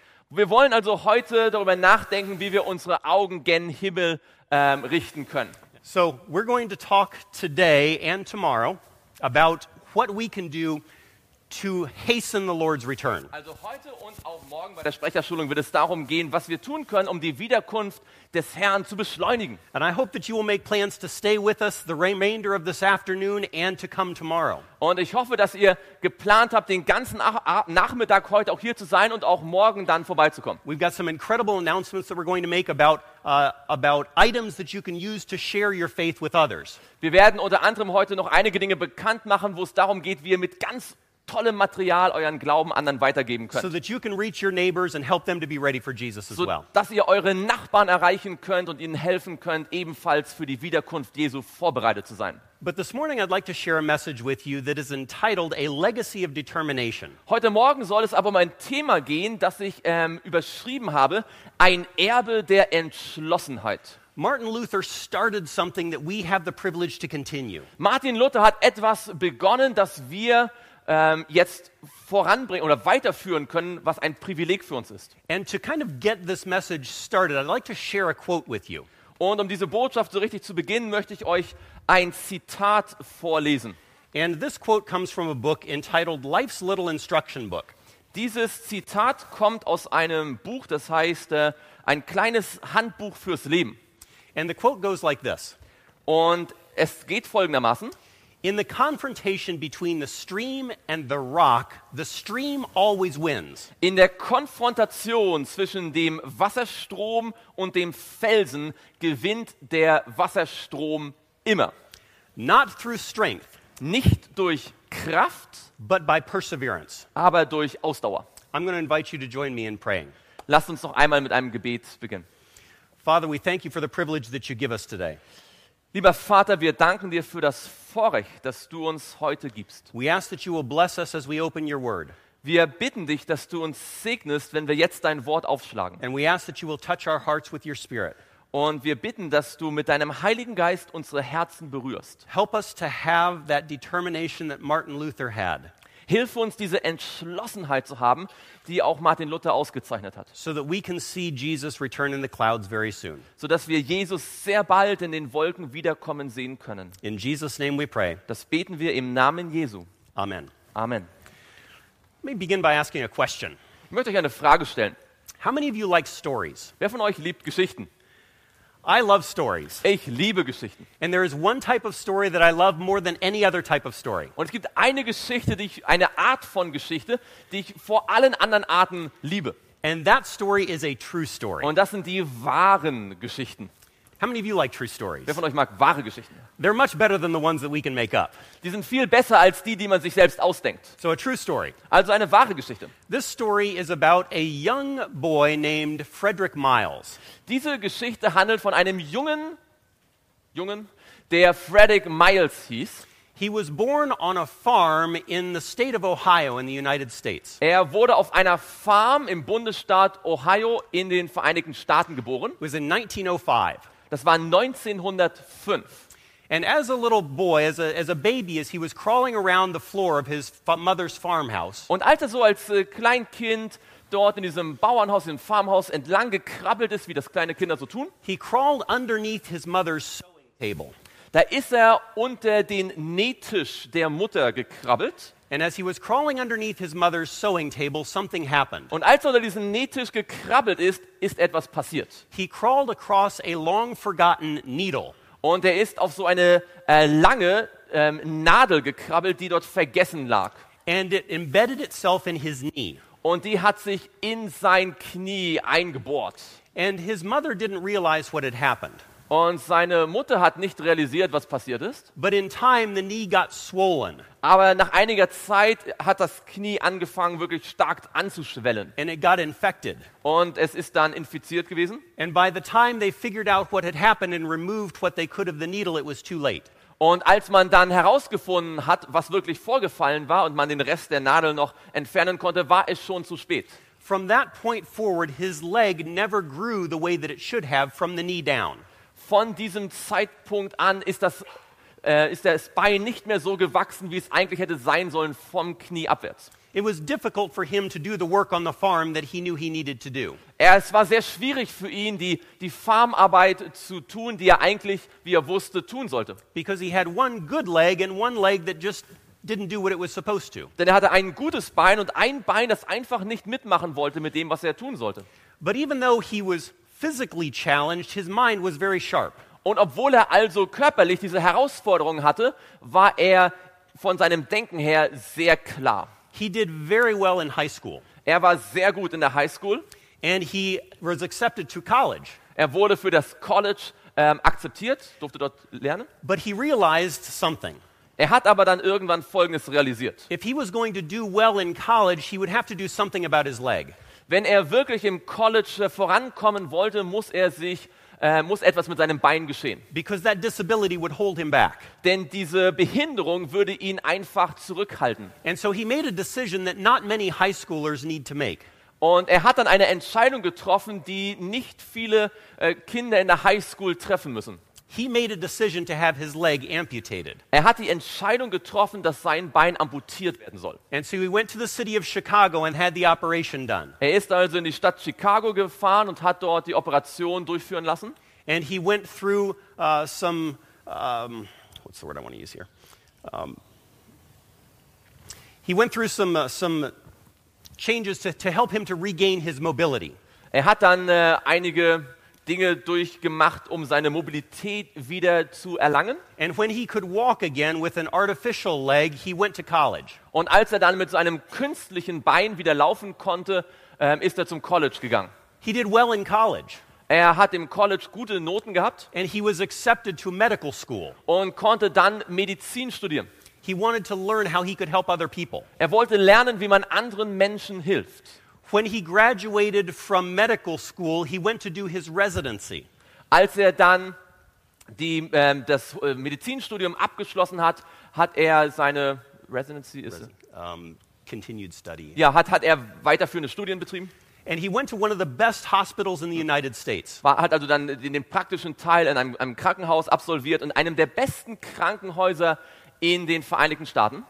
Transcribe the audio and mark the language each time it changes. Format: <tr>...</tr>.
<de>Wir wollen also heute darüber nachdenken, wie wir unsere Augen gen Himmel richten können.</de> <en>So we're going to talk today and tomorrow about what we can do to hasten the Lord's return.</en> <de>Also heute und auch morgen bei der Sprecherschulung wird es darum gehen, was wir tun können, um die Wiederkunft des Herrn zu beschleunigen.</de> <en>And I hope that you will make plans to stay with us the remainder of this afternoon and to come tomorrow.</en> <de>Und ich hoffe, dass ihr geplant habt, den ganzen Nachmittag heute auch hier zu sein und auch morgen dann vorbeizukommen.</de> <en>We've got some incredible announcements that we're going to make about items that you can use to share your faith with others.</en> <de>Wir werden unter anderem heute noch einige Dinge bekannt machen, wo es darum geht, wie ihr mit ganz tolle Material euren Glauben anderen weitergeben könnt.</de> <en>So that you can reach your neighbors and help them to be ready for Jesus as well.</en> <de>So dass ihr eure Nachbarn erreichen könnt und ihnen helfen könnt, ebenfalls für die Wiederkunft Jesu vorbereitet zu sein.</de> <en>But this morning I'd like to share a message with you that is entitled A Legacy of Determination.</en> <de>Heute Morgen soll es aber um ein Thema gehen, das ich überschrieben habe, ein Erbe der Entschlossenheit.</de> <en>Martin Luther started something that we have the privilege to continue.</en> <de>Martin Luther hat etwas begonnen, das wir jetzt voranbringen oder weiterführen können, was ein Privileg für uns ist.</de> <en>And to kind of get this message started, I'd like to share a quote with you.</en> <de>Und um diese Botschaft so richtig zu beginnen, möchte ich euch ein Zitat vorlesen.</de> <en>And this quote comes from a book entitled Life's Little Instruction Book.</en> <de>Dieses Zitat kommt aus einem Buch, das heißt ein kleines Handbuch fürs Leben.</de> <en>And the quote goes like this.</en> <de>Und es geht folgendermaßen:</de> <en>In the confrontation between the stream and the rock, the stream always wins.</en> <de>In der Konfrontation zwischen dem Wasserstrom und dem Felsen gewinnt der Wasserstrom immer.</de> <en>Not through strength,</en> <de>nicht durch Kraft,</de> <en>but by perseverance,</en> <de>aber durch Ausdauer.</de> <en>I'm going to invite you to join me in praying.</en> <de>Lasst uns noch einmal mit einem Gebet beginnen.</de> <en>Father, we thank you for the privilege that you give us today.</en> <de>Lieber Vater, wir danken dir für das Vorrecht, das du uns heute gibst.</de> <en>We ask that you will bless us as we open your word.</en> <de>Wir bitten dich, dass du uns segnest, wenn wir jetzt dein Wort aufschlagen.</de> <en>And we ask that you will touch our hearts with your spirit.</en> <de>Und wir bitten, dass du mit deinem Heiligen Geist unsere Herzen berührst.</de> <en>Help us to have that determination that Martin Luther had.</en> <de>Hilf uns, diese Entschlossenheit zu haben, die auch Martin Luther ausgezeichnet hat.</de> <en>So that we can see Jesus return in the clouds very soon.</en> <de>So dass wir Jesus sehr bald in den Wolken wiederkommen sehen können.</de> <en>In Jesus' name we pray.</en> <de>Das beten wir im Namen Jesu.</de> <en>Amen.</en> <de>Amen.</de> <en>Let me begin by asking a question.</en> <de>Ich möchte euch eine Frage stellen.</de> <en>How many of you like stories?</en> <de>Wer von euch liebt Geschichten?</de> <en>I love stories.</en> <de>Ich liebe Geschichten.</de> <en>And there is one type of story that I love more than any other type of story.</en> <de>Und es gibt eine Geschichte, die ich, eine Art von Geschichte, die ich vor allen anderen Arten liebe.</de> <en>And that story is a true story.</en> <de>Und das sind die wahren Geschichten.</de> <en>How many of you like true stories?</en> <de>Wer von euch mag wahre Geschichten?</de> <en>They're much better than the ones that we can make up.</en> <de>Die sind viel besser als die, die man sich selbst ausdenkt.</de> <en>So a true story.</en> <de>Also eine wahre Geschichte.</de> <en>This story is about a young boy named Frederick Miles.</en> <de>Diese Geschichte handelt von einem Jungen, der Frederick Miles hieß.</de> <en>He was born on a farm in the state of Ohio in the United States.</en> <de>Er wurde auf einer Farm im Bundesstaat Ohio in den Vereinigten Staaten geboren.</de> <en>It was in 1905.</en> <de>Das war 1905.</de> <en>And as a little boy, as a baby, as he was crawling around the floor of his mother's farmhouse.</en> <de>Und als er so als Kleinkind dort in diesem Bauernhaus, im Farmhaus entlang gekrabbelt ist, wie das kleine Kinder so tun.</de> <en>He crawled underneath his mother's sewing table.</en> <de>Da ist er unter den Nähtisch der Mutter gekrabbelt.</de> <en>And as he was crawling underneath his mother's sewing table, something happened.</en> <de>Und als er unter diesen Nähtisch gekrabbelt ist, ist etwas passiert.</de> <en>He crawled across a long forgotten needle.</en> <de>Und er ist auf so eine lange Nadel gekrabbelt, die dort vergessen lag.</de> <en>And it embedded itself in his knee.</en> <de>Und die hat sich in sein Knie eingebohrt.</de> <en>And his mother didn't realize what had happened.</en> <de>Und seine Mutter hat nicht realisiert, was passiert ist.</de> <en>But in time the knee got swollen.</en> <de>Aber nach einiger Zeit hat das Knie angefangen, wirklich stark anzuschwellen.</de> <en>And it got infected.</en> <de>Und es ist dann infiziert gewesen.</de> <en>And by the time they figured out what had happened and removed what they could of the needle, it was too late.</en> <de>Und als man dann herausgefunden hat, was wirklich vorgefallen war und man den Rest der Nadel noch entfernen konnte, war es schon zu spät.</de> <en>From that point forward, his leg never grew the way that it should have from the knee down.</en> <de>Von diesem Zeitpunkt an ist das Bein nicht mehr so gewachsen, wie es eigentlich hätte sein sollen, vom Knie abwärts.</de> <en>It was difficult for him to do the work on the farm that he knew he needed to do.</en> <de>Es war sehr schwierig für ihn, die Farmarbeit zu tun, die er eigentlich, wie er wusste, tun sollte.</de> <en>Because he had one good leg and one leg that just didn't do what it was supposed to.</en> <de>Denn er hatte ein gutes Bein und ein Bein, das einfach nicht mitmachen wollte mit dem, was er tun sollte.</de> <en>But even though he was physically challenged, his mind was very sharp.</en> <de>Und obwohl er also körperlich diese Herausforderung hatte, war er von seinem Denken her sehr klar.</de> <en>He did very well in high school.</en> <de>Er war sehr gut in der High School.</de> <en>And he was accepted to college.</en> <de>Er wurde für das College akzeptiert, durfte dort lernen.</de> <en>But he realized something.</en> <de>Er hat aber dann irgendwann Folgendes realisiert.</de> <en>If he was going to do well in college, he would have to do something about his leg.</en> <de>Wenn er wirklich im College vorankommen wollte, muss etwas mit seinem Bein geschehen.</de> <en>Because that disability would hold him back.</en> <de>Denn diese Behinderung würde ihn einfach zurückhalten.</de> <en>And so he made a decision that not many high schoolers need to make.</en> <de>Und er hat dann eine Entscheidung getroffen, die nicht viele Kinder in der High School treffen müssen.</de> <en>He made a decision to have his leg amputated.</en> <de>Er hat die Entscheidung getroffen, dass sein Bein amputiert werden soll.</de> <en>And so he went to the city of Chicago and had the operation done.</en> <de>Er ist also in die Stadt Chicago gefahren und hat dort die Operation durchführen lassen.</de> <en>And he went through some what's the word I want to use here? He went through some changes to help him to regain his mobility.</en> <de>Er hat dann einige Dinge durchgemacht, um seine Mobilität wieder zu erlangen.</de> <en>And when he could walk again with an artificial leg, he went to college.</en> <de>Und als er dann mit seinem künstlichen Bein wieder laufen konnte, ist er zum College gegangen.</de> <en>He did well in college.</en> <de>Er hat im College gute Noten gehabt.</de> <en>And he was accepted to medical school.</en> <de>Und konnte dann Medizin studieren.</de> <en>He wanted to learn how he could help other people.</en> <de>Er wollte lernen, wie man anderen Menschen hilft.</de> <en>When he graduated from medical school, he went to do his residency.</en> <de>Als er dann das Medizinstudium abgeschlossen hat, hat er seine residency</de> <en>continued study.</en> <de>Ja, hat er weiterführende Studien betrieben.</de> <en>And he went to one of the best hospitals in the United States.</en> <de>Hat also dann den praktischen Teil in einem Krankenhaus absolviert und einem der besten Krankenhäuser in den Vereinigten Staaten.</de>